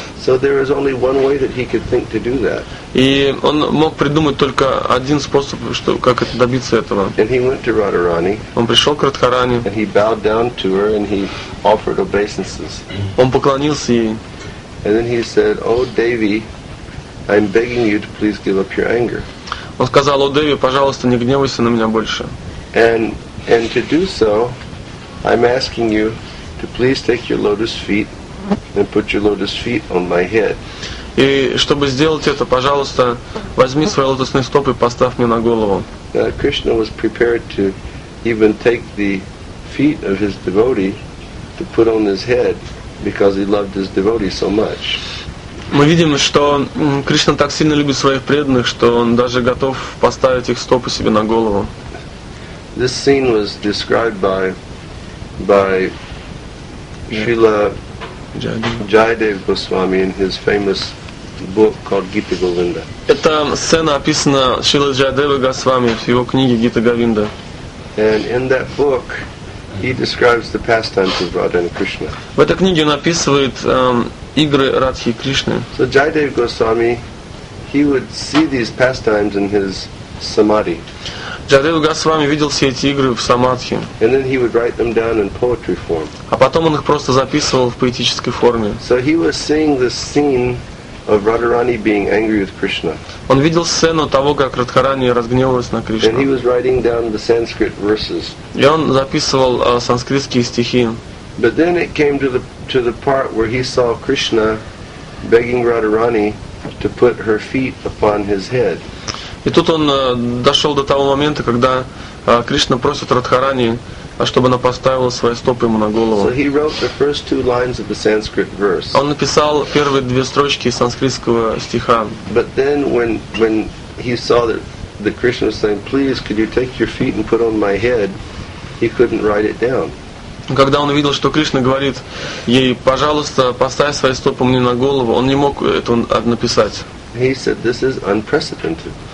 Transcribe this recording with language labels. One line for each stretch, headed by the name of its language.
English: So there is only one way that he could think to do that.
Russian: И он мог придумать только один способ, что как это добиться этого.
English: And he went to Radharani.
Russian: Он пришел к Радхарани.
English: And he bowed down to her and he offered obeisances.
Russian: Он поклонился ей.
English: And then he said, "Oh Devi, I'm begging you to please give up your anger."
Russian: Он сказал: "О Деви, пожалуйста, не гневайся на меня больше."
English: And to do so, I'm asking you to please take your lotus feet and put your lotus feet on my head.
Russian: И чтобы сделать это, пожалуйста, возьми свои лотосные стопы и поставь мне на голову.
English: Krishna was prepared to even take the feet of his devotee to put on his head because he loved his devotee so much.
Russian: Мы видим, что Кришна так сильно любит своих преданных, что он даже готов поставить их стопы себе на голову.
English: This scene was described by Srila Jayadev Goswami in his famous book called Gita Govinda.
Russian: Эта сцена описана Шрилой Джаядевой Госвами в его книге Гита Говинда.
English: And in that book he describes the pastimes of Radha and Krishna.
Russian: В этой книге он описывает игры Радхи и Кришны.
English: So Jayadev Goswami he would see these pastimes in his samadhi.
Russian: Джайдев Госвами видел все эти игры в самадхи.
English: And then he would write them down in poetry form.
Russian: А потом он их просто записывал в поэтической форме.
English: So he was seeing the scene of Radharani being angry with Krishna.
Russian: Он видел сцену того, как Радхарани разгневалась на Кришну.
English: And he was writing down the Sanskrit verses.
Russian: И он записывал санскритские стихи.
English: But then it came to the part where he saw Krishna begging Radharani to put her feet upon his head.
Russian: И тут он дошел до того момента, когда Кришна просит Радхарани, чтобы она поставила свои стопы ему на голову.
English: So he wrote the first two lines of the Sanskrit verse.
Russian: Он написал первые две строчки санскритского стиха.
English: But then when he saw that Krishna was saying, "Please, could you take your feet and put on my head?" he couldn't write it down.
Russian: Когда он увидел, что Кришна говорит ей, "Пожалуйста, поставь свои стопы мне на голову", он не мог это написать.
English: He said, "This is unprecedented."